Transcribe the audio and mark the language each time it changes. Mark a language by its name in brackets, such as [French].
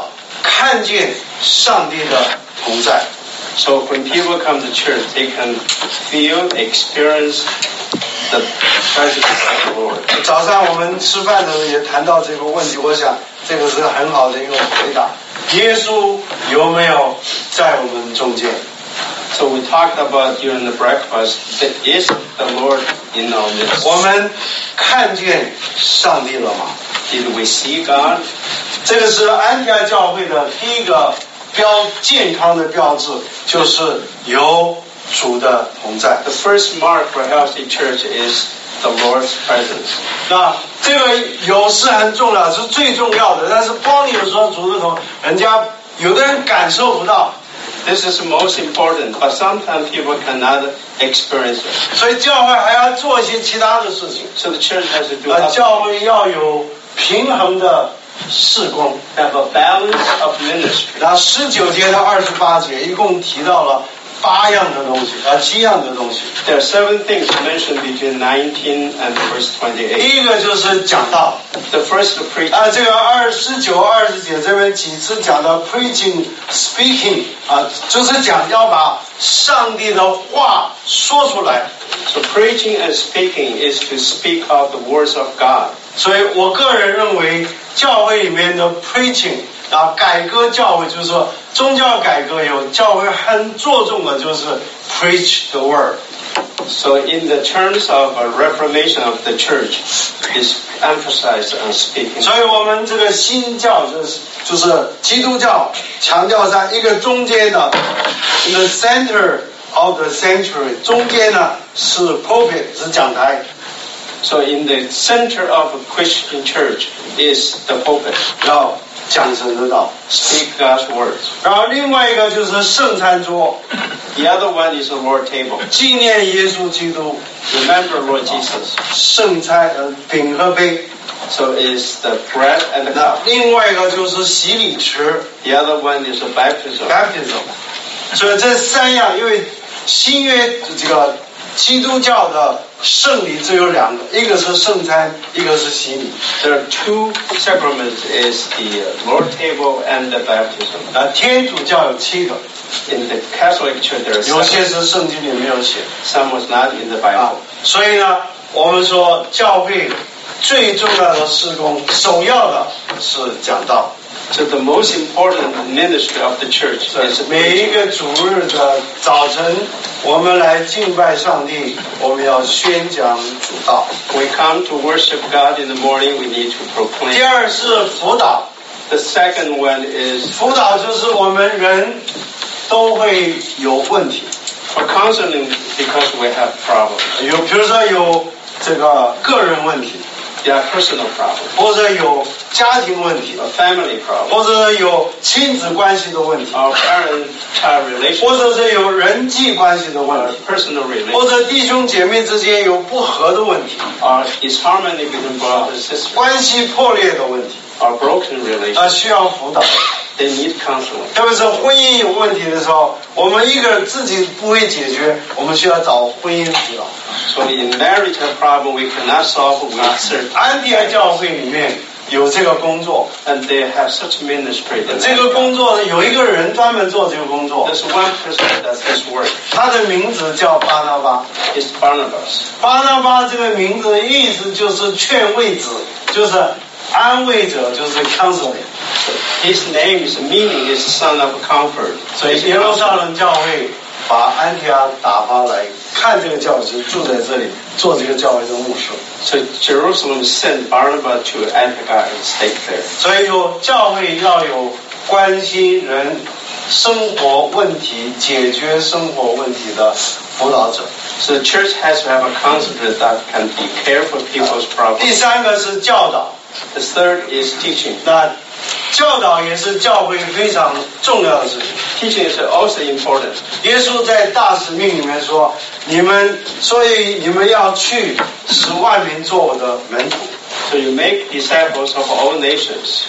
[Chinese] 这是因为人到教会里面来的时候，感受到看见上帝的。 [English] So when people come to church, they can feel, experience the presence of the Lord. [Chinese] 早上我们吃饭的时候也谈到这个问题，我想这个是很好的一个回答。耶稣有没有在我们中间？ [English] So we talked about during the breakfast, that is the Lord in our midst. [Chinese] 我们看见上帝了吗？ [English] Did we see God? [Chinese] 这个是安提阿教会的第一个标健康的标志，就是有主的同在。 [English] The first mark for healthy church is the Lord's presence. [Chinese] 那这个有是很重要，是最重要的。但是光有说主的同，人家有的人感受不到。 [English] This is most important, but sometimes people cannot experience it. [Chinese] 所以教会还要做一些其他的事情。 [English] So the church has to do. [Chinese] 教会要有平衡的事工。 [English] Have a balance of ministry. [Chinese] 那十九节到二十八节一共提到了八样的东西，七样的东西。 [English] There are seven things mentioned between 19 and verse 28. [Chinese] 第一个就是讲道。 [English] The first preaching. [Chinese] 这个二十九、二十节这边几次讲到 [English] preaching, speaking, [Chinese] 就是讲要把上帝的话说出来。 [English] So preaching and speaking is to speak out the words of God. [Chinese] 所以我个人认为教会里面的 preaching,改革教会就是说宗教改革有教会很着重的就是 [English] preach the word. So in the terms of a reformation of the church is emphasized on speaking. [Chinese] 所以我们这个新教就是基督教强调在一个中间的 [English] in the center of the sanctuary, [Chinese] 中间呢是 pulpit, 是讲台。 [English] So in the center of a Christian church is the pulpit. [Chinese] 要讲神的道 [English] Speak God's words. [Chinese] 然后另外一个就是圣餐桌 [English] The other one is the Lord's table. [Chinese] 纪念耶稣基督 [English] Remember Lord Jesus. [Chinese] 圣餐饼和杯 [English] So is the bread and the cup. [Chinese] 另外一个就是洗礼池 [English] The other one is the baptism. Baptism. [Chinese] 所以这三样因为新约这个基督教的圣礼只有两个，一个是圣餐，一个是洗礼。 [English] There are two sacraments: is the Lord's table and the baptism. [Chinese] 天主教有七个。 [English] In the Catholic Church, there are seven. [Chinese] 有些是圣经里没有写。 [English] Some was not in the Bible. [Chinese] 所以呢，我们说教会最重要的事工，首要的是讲道。 [English] So the most important ministry of the church is [Chinese] 每一个主日的早晨，我们来敬拜上帝，我们要宣讲主道。 [English] We come to worship God in the morning. We need to proclaim. [Chinese] 第二是辅导。 [English] The second one is [Chinese] 辅导就是我们人都会有问题。 [English] For counseling because we have problems. [Chinese] 有比如说有这个个人问题。 [English] There are personal problems. [Chinese] 或者有家庭问题 [English] A family problem. [Chinese] 或者有亲子关系的问题 [English] Our parent-child relationship. [Chinese] 或者是有人际关系的问题 [English] Personal relationship. [Chinese] 或者弟兄姐妹之间有不和的问题 [English] Our disharmony between brothers and sisters. [Chinese] 关系破裂的问题 [English] Our broken relationship. [Chinese] 需要辅导 [English] They need counseling. [Chinese] 特别是婚姻有问题的时候我们一个自己不会解决我们需要找婚姻辅导 [English] So in marital problem, we cannot solve with certain. [Chinese] 安提阿教会里面有这个工作 [English] ，and they have such ministry. [Chinese] 这个工作呢，有一个人专门做这个工作。 [English] There's one person that does this work. [Chinese] 他的名字叫巴拿巴。 [English] It's Barnabas. [Chinese] 巴拿巴这个名字的意思就是劝慰者，就是安慰者，就是 counseling. [English] So his name is meaning is son of comfort. [Chinese] 所以耶路撒冷教会。把安提阿打发来看这个教会，住在这里做这个教会的牧师。 [English] So Jerusalem sent Barnabas to Antioch and stayed there. [Chinese] 所以说，教会要有关心人生活问题、解决生活问题的辅导者。 [English] So the church has to have a counselor that can be care for people's problems. [Chinese] 第三个是教导。 [English] The third is teaching. [Chinese] 那教导也是教会非常重要的事情。 [English] Teaching is also important. [Chinese] 耶稣在大使命里面说：“你们，所以你们要去，使万民做我的门徒。” [English] So you make disciples of all nations.